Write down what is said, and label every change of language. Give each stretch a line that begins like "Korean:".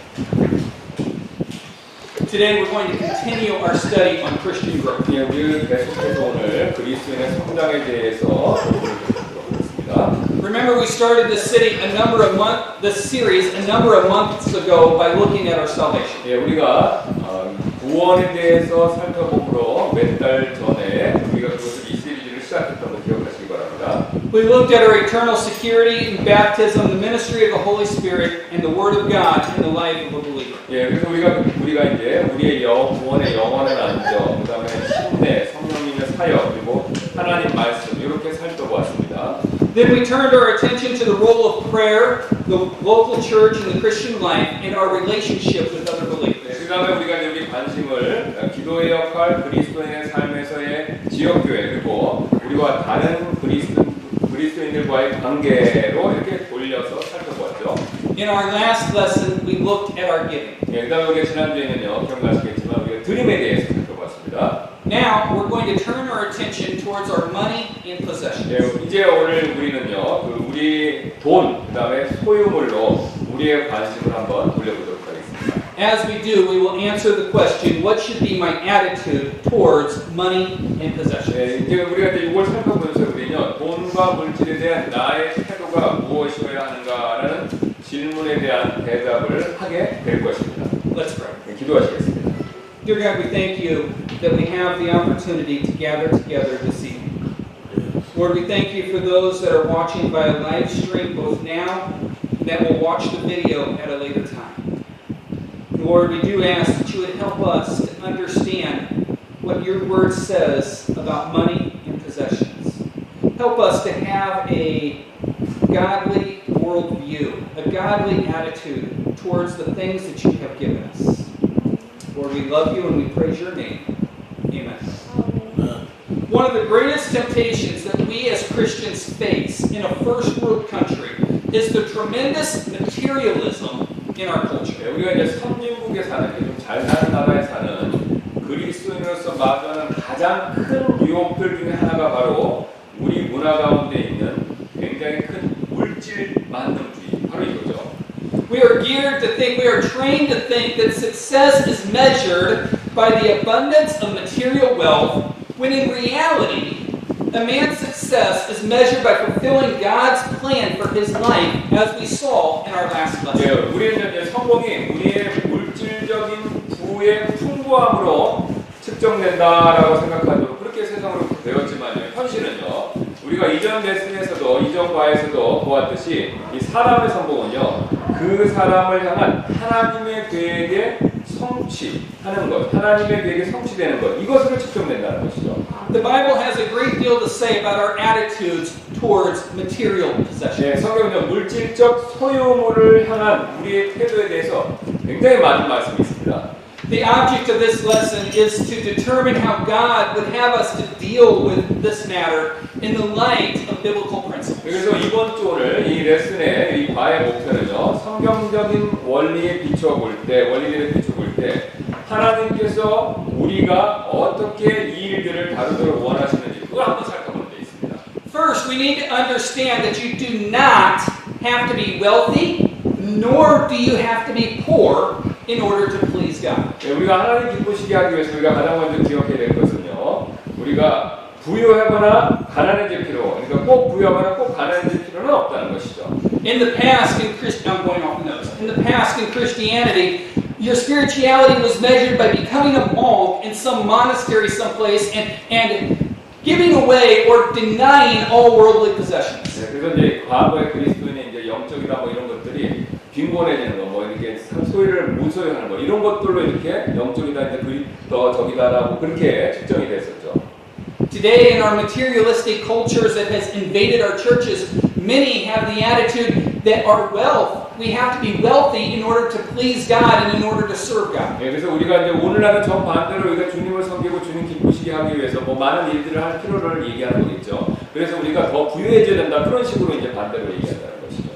English: Today we're going to continue our study on Christian growth.
Korean: 예, 우리는 계속해서 오늘 그리스도인의 성장에 대해서 보겠습니다.
English: Remember, we started the series a number of months ago by looking at our salvation.
Korean: 예, 우리가 구원에 대해서 살펴보므로 몇 달 전에 우리가 그것을 이 시리즈를 시작했던 것 기억하시기 바랍니다.
English: We looked at our eternal security in baptism, the ministry of the Holy Spirit, and the Word of God in the life of a believer.
Korean: 예, 그리고 우리가 이제 우리의 구원의 영원한 안정, 그 다음에 신의 성령님의 사역, 그리고 하나님 말씀, 이렇게 살펴보았습니다.
English: Then we turned our attention to the role of prayer, the local church, and the Christian life, and our relationship with other believers.
Korean: 그 다음에 우리가 여기 관심을 기도의 역할, 그리스도인의 삶에서의 지역교회, 그리고 우리와 다른 그리스도인들과의 관계로 이렇게 돌려서 살펴보았죠.
English: In our last lesson, we looked at our giving.
Korean: 예, 그 다음에 우리가 지난주에는요, 기억나시겠지만 우리가 드림에 대해서 살펴보았습니다.
English: Now, we're going to turn our attention towards our money and possessions.
Korean: 예, 이제 오늘 우리는요, 그 우리 돈, 그 다음에 소유물로 우리의 관심을 한번 돌려보도록 하겠습니다.
English: As we do, we will answer the question, what should be my attitude towards money and possessions?
Korean: 예, 이제 우리가 이제 이걸 살펴보면서 우리는요, 돈과 물질에 대한 나의 태도가 무엇이어야 하는가라는 질문에 대한 대답을 하게 될 것입니다.
English: Let's pray.
Korean: 예, 기도하시겠습니다.
English: Dear God, we thank you that we have the opportunity to gather together this evening. Lord, we thank you for those that are watching by a live stream both now and that will watch the video at a later time. Lord, we do ask that you would help us to understand what your word says about money and possessions. Help us to have a godly worldview, a godly attitude towards the things that you have given us. Lord, we love you and we praise your name. Amen. Amen. One of the greatest temptations that we as Christians face in a first world country is the tremendous materialism in our culture.
Korean: 네, 우리가 이제 선진국에 사는, 좀 잘 사는 나라에 사는 그리스도인으로서 맞는 가장 큰 유혹들 중에 하나가 바로 우리 문화 가운데 있는 굉장히 큰 물질 만능주의, 바로 이거죠.
English: We are geared to think, we are trained to think that success is measured by the abundance of material wealth, when in reality, a man's success is measured by fulfilling God's plan for his life, as we saw in our last lesson.
Korean: 예, 우리는 이제 성공이 우리의 물질적인 부의 풍부함으로 측정된다라고 생각하죠. 그렇게 세상으로 배웠지만요. 현실은요, 우리가 이전 레슨에서도, 이전 과에서도 보았듯이, 이 사람의 성공은요, 그 사람을 향한 하나님의 계획에 성취하는 것, 하나님의 계획에 성취되는 것, 이것으로 측정된다는 것이죠.
English: The Bible has a great deal to say about our attitudes towards material possessions.
Korean: 네, 성경은 물질적 소유물을 향한 우리의 태도에 대해서 굉장히 많은 말씀이 있습니다.
English: The object of this lesson is to determine how God would have us to deal with this matter in the light of biblical principles.
Korean: 그래서 이번 주 오늘 이 레슨의 이 과의 목표는요, 성경적인 원리에 비춰볼 때, 원리들에 비춰볼 때, 하나님께서 우리가 어떻게 이 일들을 다루도록 원하시는지 그걸 한번 살펴보는 데 있습니다.
English: First, we need to understand that you do not have to be wealthy, nor do you have to be poor in order to please God.
Korean: 예, 우리가 하나님 기쁘시게 하기 위해서 우리가 가장 먼저 기억해야 될 것은요, 우리가 부유하거나 가난해질 필요, 그러니까 꼭 부유하거나 꼭 가난해질 필요는 없다는 것이죠.
English: In the past, in Christian, I'm going off the notes. In the past, in Christianity, your spirituality was measured by becoming a monk in some monastery someplace and giving away or denying all worldly possessions.
Korean: 예, 그래서 이제 과거의 그리스도인의 이제 영적이나 뭐 이런 것들이 빈곤해지는 거, 뭐 이렇게 소유를 무소유하는 거, 이런 것들로 이렇게 영적이다, 이제 더적이다라고 그렇게 측정이 됐었죠.
English: Today, in our materialistic cultures that has invaded our churches, many have the attitude that our wealth, we have to be wealthy in order to please God and in order to serve God.
Korean: 예, 그래서 우리가 이제 오늘날은 정반대로 우리가 주님을 섬기고 주님 기쁘시게 하기 위해서 뭐 많은 일들을 할 필요를 얘기하는 거겠죠. 그래서 우리가 더 부유해져야 된다, 그런 식으로 이제 반대로 얘기한다는 것이죠.